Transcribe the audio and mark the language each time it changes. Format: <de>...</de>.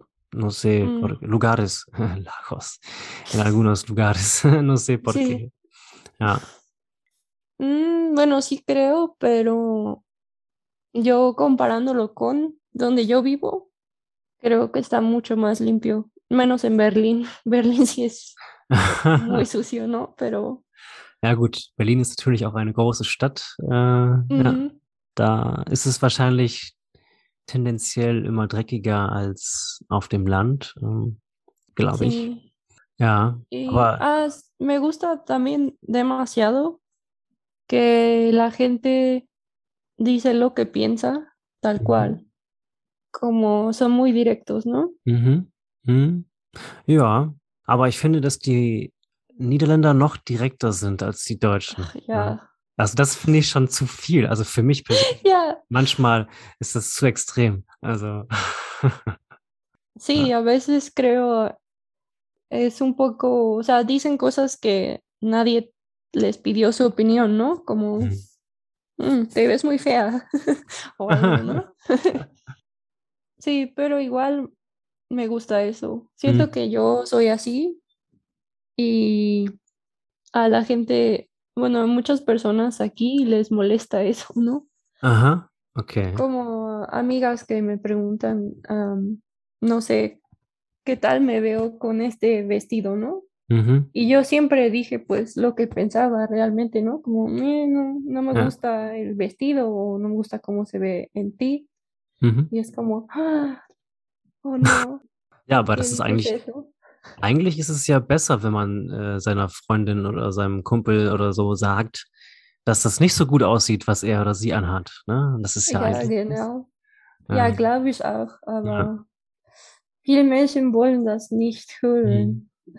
<es>No sé, por lugares, lagos, en algunos lugares, no sé por qué. Ah. Bueno, sí creo, pero yo comparándolo con donde yo vivo, creo que está mucho más limpio, menos en Berlín. Berlín sí es muy sucio, ¿no? Pero...</es> <de>Ja gut, Berlin ist natürlich auch eine große Stadt. Ja, da ist es wahrscheinlich tendenziell immer dreckiger als auf dem Land, glaube ich.</de> <es>Sí.</es> <de>Ja, aber...</de> <es>me gusta también demasiado que la gente dice lo que piensa tal cual. Como son muy directos, ¿no?</es> <de>Ja, aber ich finde, dass die Niederländer noch direkter sind als die Deutschen. Ach, ja. Also das finde ich schon zu viel. Also für mich persönlich. Ja. Manchmal ist das zu extrem. Also.</de> <es>Sí, ja. A veces creo es un poco, o sea, dicen cosas que nadie les pidió su opinión, ¿no? Como te ves muy fea. O algo, ¿no? Sí, pero igual me gusta eso. Siento que yo soy así y a la gente, bueno, a muchas personas aquí les molesta eso, ¿no? Ajá, okay. Como amigas que me preguntan, no sé, ¿qué tal me veo con este vestido, no? Y yo siempre dije, pues, lo que pensaba realmente, ¿no? Como, no me gusta el vestido o no me gusta cómo se ve en ti. Y es como, ¡ah! ¡Oh, no!</es> <de>Ja, aber das ist eigentlich, eigentlich ist es ja besser, wenn man seiner Freundin oder seinem Kumpel oder so sagt, dass das nicht so gut aussieht, was er oder sie anhat. Ne? Das ist ja, ja eigentlich. Genau. Ja, ja, glaube ich auch, aber viele Menschen wollen das nicht hören.</de>